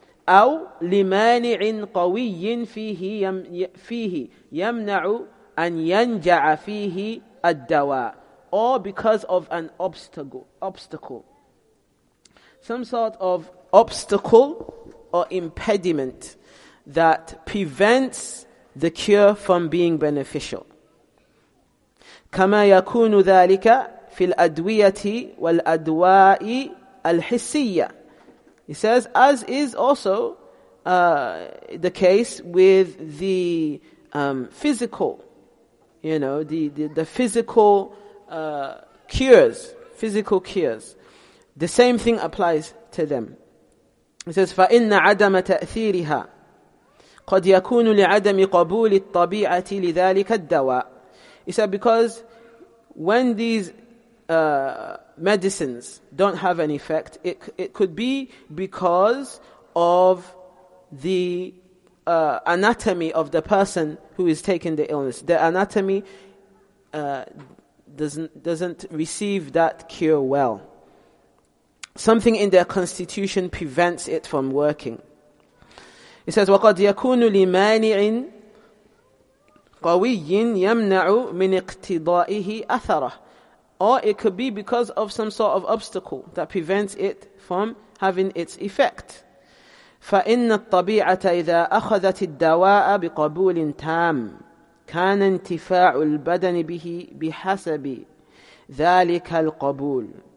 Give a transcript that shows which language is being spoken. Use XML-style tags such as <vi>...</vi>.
<ar>أو لمانع قوي فيه يمنع أن ينجع فيه الدواء.</ar> <en>Or because of an obstacle. Some sort of obstacle or impediment that prevents the cure from being beneficial.</en> <ar>كما يكون ذلك في الأدوية والأدواء الحسية.</ar> <en>He says, as is also the case with the physical, the physical cures. The same thing applies to them. It says,</en> <ar>فَإِنَّ عَدَمَ تَأْثِيرِهَا قَدْ يَكُونُ لِعَدَمِ قَبُولِ الطَّبِيعَةِ لِذَلِكَ الدَّوَاءِ.</ar> <en>He said, because when these medicines don't have an effect, it could be because of the anatomy of the person who is taking the illness. The anatomy doesn't receive that cure well. Something in their constitution prevents it from working. It says,</en> <ar>وَقَدْ يَكُونُ لِمَانِعٍ قَوِيٍّ يَمْنَعُ مِنْ اِقْتِضَائِهِ أَثَرَهِ.</ar> <en>Or it could be because of some sort of obstacle that prevents it from having its effect.</en> <ar>فإن الطبيعة إذا أخذت الدواء بقبول تام كان انتفاع البدن به بحسب ذلك القبول.</ar>